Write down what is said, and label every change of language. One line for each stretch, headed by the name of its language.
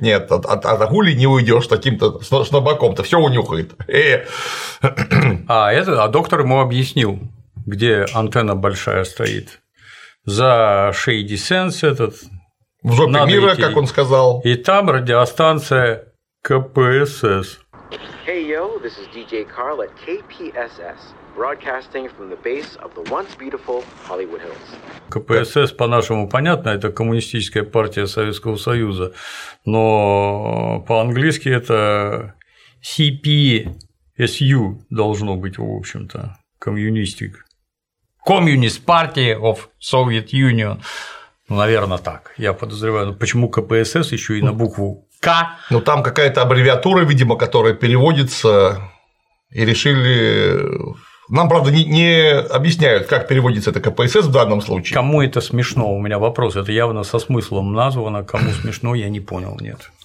Russian: Нет, от Гули не уйдешь таким-то снобаком-то, все унюхает. А доктор ему объяснил, где антенна большая стоит. За Shady Sense этот. В жопе надо мира, идти. Как он сказал. И там радиостанция КПСС.
English: Hey yo, this is DJ Carl at KPSS, broadcasting from the base of the once beautiful Hollywood Hills.
Russian: КПСС по-нашему понятно, это Коммунистическая партия Советского Союза, но по-английски это CPSU должно быть, в общем-то, коммунистик.
English: Communist Party of Soviet Union.
Russian: Ну, наверное, так. Я подозреваю, ну, почему КПСС еще и на букву К. Ну, там какая-то аббревиатура, видимо, которая переводится, и решили. Нам, правда, не объясняют, как переводится это КПСС в данном случае. Кому это смешно? У меня вопрос. Это явно со смыслом названо. Кому смешно, я не понял, нет.